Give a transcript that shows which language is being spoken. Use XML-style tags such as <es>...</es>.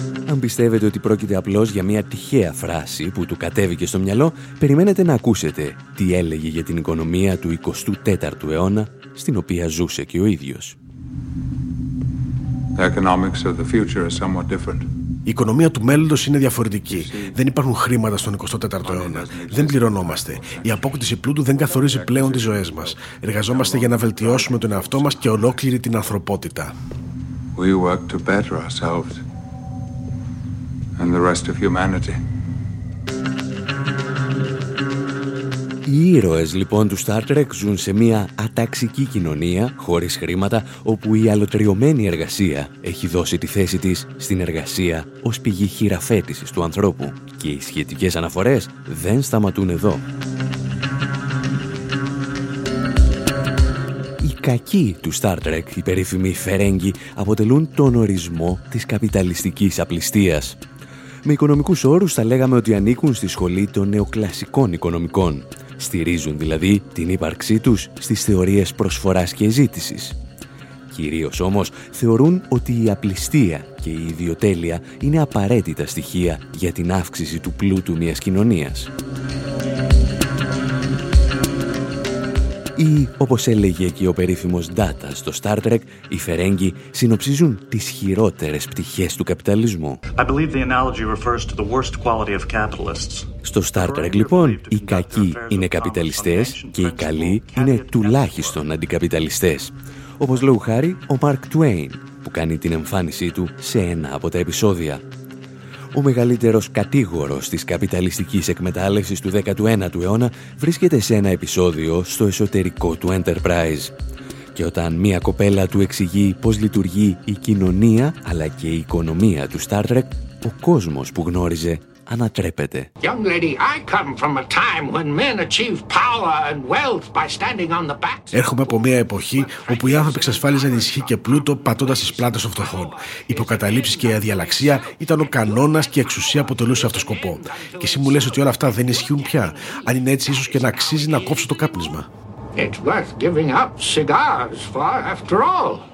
<el>Αν πιστεύετε ότι πρόκειται απλώς για μια τυχαία φράση που του κατέβηκε στο μυαλό, περιμένετε να ακούσετε τι έλεγε για την οικονομία του 24ου αιώνα, στην οποία ζούσε και ο ίδιος.</el> <en>The economics of the future is somewhat different.</en> <el>Η οικονομία του μέλλοντος είναι διαφορετική. Δεν υπάρχουν χρήματα στον 24ο αιώνα. Δεν πληρωνόμαστε. Η απόκτηση πλούτου δεν καθορίζει πλέον τις ζωές μας. Εργαζόμαστε για να βελτιώσουμε τον εαυτό μας και ολόκληρη την ανθρωπότητα.</el> <en>We work to better ourselves and the rest of humanity.</en> <el>Οι ήρωες λοιπόν του Star Trek ζουν σε μια αταξική κοινωνία χωρίς χρήματα όπου η αλωτριωμένη εργασία έχει δώσει τη θέση της στην εργασία ως πηγή χειραφέτησης του ανθρώπου και οι σχετικές αναφορές δεν σταματούν εδώ. Οι κακοί του Star Trek, οι περίφημοι Φερέγγοι, αποτελούν τον ορισμό της καπιταλιστικής απληστείας. Με οικονομικούς όρους θα λέγαμε ότι ανήκουν στη σχολή των νεοκλασικών οικονομικών. Στηρίζουν δηλαδή την ύπαρξή τους στις θεωρίες προσφοράς και ζήτησης. Κυρίως όμως θεωρούν ότι η απληστία και η ιδιοτέλεια είναι απαραίτητα στοιχεία για την αύξηση του πλούτου μιας κοινωνίας. Ή, όπως έλεγε και ο περίφημος Data στο Star Trek, οι Φερέγγοι συνοψίζουν τις χειρότερες πτυχές του καπιταλισμού.</el> <en>I believe the analogy refers to the worst quality of capitalists.</en> <el>Στο Star Trek, λοιπόν, οι κακοί είναι καπιταλιστές και οι καλοί είναι τουλάχιστον αντικαπιταλιστές. Όπως λόγου χάρη, ο Mark Twain, που κάνει την εμφάνισή του σε ένα από τα επεισόδια. Ο μεγαλύτερος κατήγορος της καπιταλιστικής εκμετάλλευσης του 19ου αιώνα βρίσκεται σε ένα επεισόδιο στο εσωτερικό του Enterprise. Και όταν μία κοπέλα του εξηγεί πώς λειτουργεί η κοινωνία αλλά και η οικονομία του Star Trek, ο κόσμος που γνώριζε ανατρέπεται.</el> <en>Young lady, I come from a time when men achieve power and wealth by standing on the back.</en> <el>Έρχομαι από μια εποχή όπου οι άνθρωποι εξασφάλιζαν ισχύ και πλούτο πατώντας τις πλάτες των φτωχών. Οι υποκαταλήψεις και η αδιαλαξία ήταν ο κανόνας και η εξουσία αποτελούσε αυτό σκοπό. Και εσύ μου λες ότι όλα αυτά δεν ισχύουν πια. Αν είναι έτσι, ίσως και να αξίζει να κόψω το κάπνισμα.</el> <en>It's worth giving up cigars for, after all.</en>